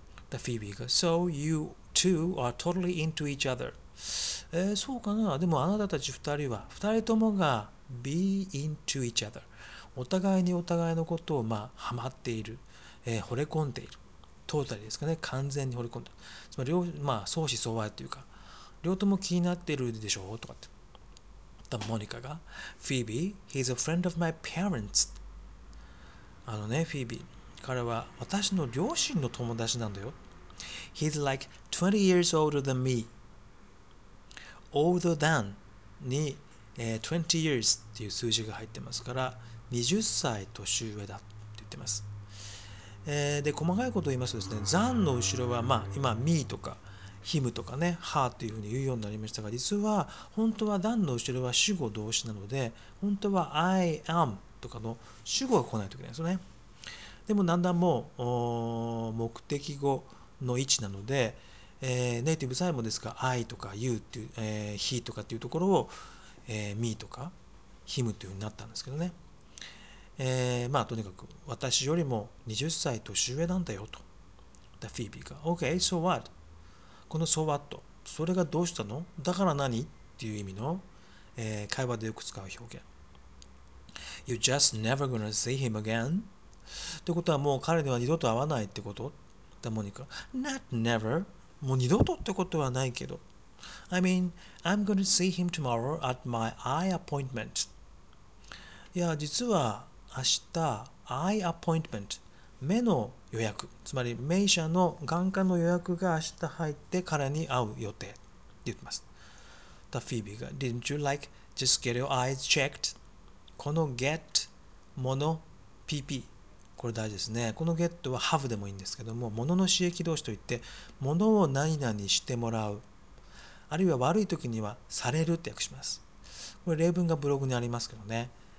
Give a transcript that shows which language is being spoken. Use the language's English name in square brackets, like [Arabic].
[Japanese] The Phoebe が [English] So you two are totally into each other、 [Japanese] そうかな、でもあなたたち二人は、二人ともが [English] be into each other、 [Japanese] お互いにお互いのことを、まあ、ハマっている、惚れ込んでいる、トータルですかね、完全に惚れ込んでいる、つまり、まあ、相思相愛というか、両方も気になっているでしょうとかって。 [English] モニカが Phoebe, he's a friend of my parents。 [Japanese] あのね、Phoebe、彼は私の両親の友達なんだよ。 [English] He's like 20 years older than me。 [Japanese] Older than に、20 years っていう数字が入ってますから、20歳年上だって言ってます。で、細かいことを言いますとですね、残の後ろは、まあ、今、me とか、him とかね、her というふうに言うようになりましたが、実は、本当は残の後ろは主語動詞なので、本当は I am とかの主語が来ないといけないんですよね。でも、だんだんもう、目的語の位置なので、ネイティブさえもですか、I とか you っていう、he とかっていうところを、me とか、him というふうになったんですけどね。まあ、とにかく私よりも20歳年上なんだよと。 [English] The Phoebe が OK, so what? この so what? [Japanese] それがどうしたの?だから何? っていう意味の、会話でよく使う表現。 [English] You just never gonna see him again? [Japanese] ってことはもう彼には二度と会わないってこと? [English] だモニカ。Not never. [Japanese] もう二度とってことはないけど。 [English] I mean, I'm gonna see him tomorrow at my eye appointment. [Japanese] いや、実は明日、eye appointment、目の予約、つまり、目医者の眼科の予約が明日入って、彼に会う予定って言ってます。 [English] The Phoebe が、Didn't you like just get your eyes checked? [Japanese] この get、もの、pp、これ大事ですね。この get は have でもいいんですけども、ものの刺激動詞といって、ものを何々してもらう。あるいは悪い時には、されるって訳します。これ、例文がブログにありますけどね。